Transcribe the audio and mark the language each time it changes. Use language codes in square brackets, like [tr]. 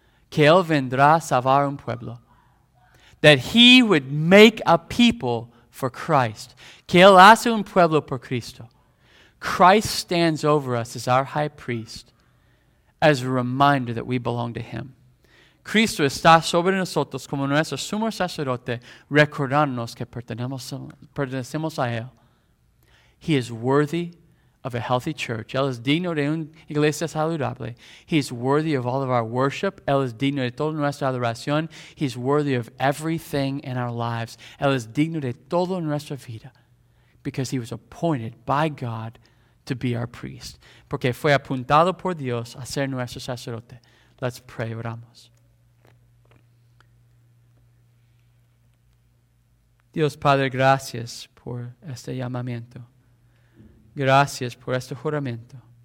[es] Que él vendrá a salvar un pueblo. [en] That he would make a people for Christ. [es] Que él hace un pueblo por Cristo. [en] Christ stands over us as our high priest. As a reminder that we belong to him. [es] Cristo está sobre nosotros como nuestro sumo sacerdote, recordándonos que pertenecemos a él. [en] He is worthy of a healthy church. [es] Él es digno de una iglesia saludable. [en] He's worthy of all of our worship. [es] Él es digno de toda nuestra adoración. [en] He's worthy of everything in our lives. [es] Él es digno de toda nuestra vida. [en] Because he was appointed by God to be our priest. [es] Porque fue apuntado por Dios a ser nuestro sacerdote. [en] Let's pray, [es] oramos. Dios Padre, gracias por este llamamiento. Gracias por este juramento.